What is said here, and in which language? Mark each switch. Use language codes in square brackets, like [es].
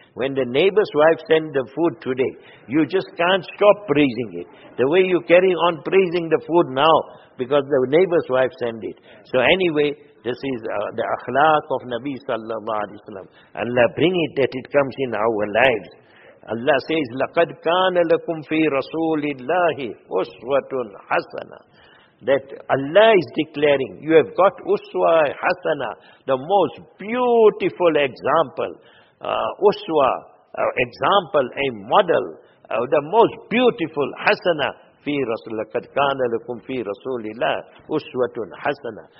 [en] When the neighbor's wife sent the food today, you just can't stop praising it. The way you carry on praising the food now, because the neighbor's wife sent it. So anyway, this is the akhlaq of Nabi sallallahu alayhi wa sallam. Allah bring it that it comes in our lives. Allah says, [ar] لَقَدْ كَانَ لَكُمْ فِي رَسُولِ اللَّهِ أُسْوَةٌ حَسَنًا. [en] That Allah is declaring, you have got uswa hasana, the most beautiful example. Example, a model, the most beautiful hasana. [ar] Fi rasul, laqad kana lakum fi rasulillah uswatun hasana.